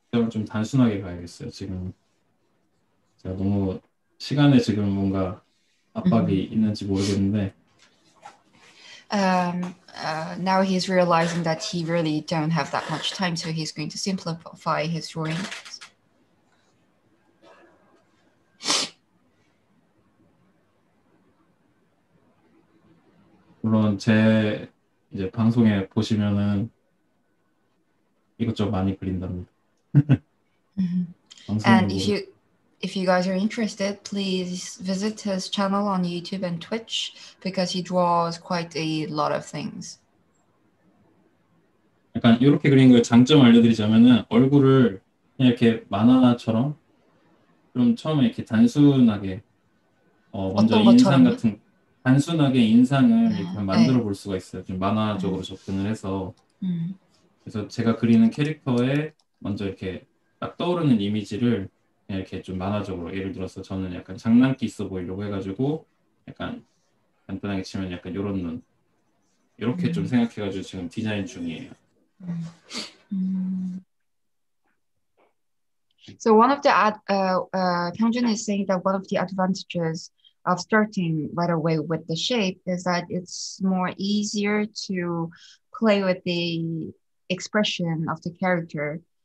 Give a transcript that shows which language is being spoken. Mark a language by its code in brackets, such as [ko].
[ko] 좀 단순하게 가야겠어요. 지금 제가 너무 시간에 지금 뭔가 압박이 있는지 모르겠는데. [en] Now he's realizing that he really don't have that much time, so he's going to simplify his drawing. [ko] 물론 제 이제 방송에 보시면은 이것저것 많이 그린답니다. Mm-hmm. [en] And if you guys are interested, please visit his channel on YouTube and Twitch because he draws quite a lot of things. [ko] 약간 이렇게 그린 거 장점 알려드리자면은 얼굴을 그냥 이렇게 만화처럼 좀 처음에 이렇게 단순하게 먼저 인상 같은 단순하게 인상을 이렇게 만들어 볼 수가 있어요. 좀 만화적으로 접근을 해서 그래서 제가 그리는 캐릭터에 먼저 이렇게 딱 떠오르는 이미지를 이렇게 좀 만화적으로 예를 들어서 저는 약간 장난기 있어 보이려고 해가지고 약간 간단하게 치면 약간 이런 눈 이렇게 좀 생각해가지고 지금 디자인 중이에요. [en] So one of the Pyeongjun is saying that one of the advantages of starting right away with the shape is that it's more easier to play with the expression of the character.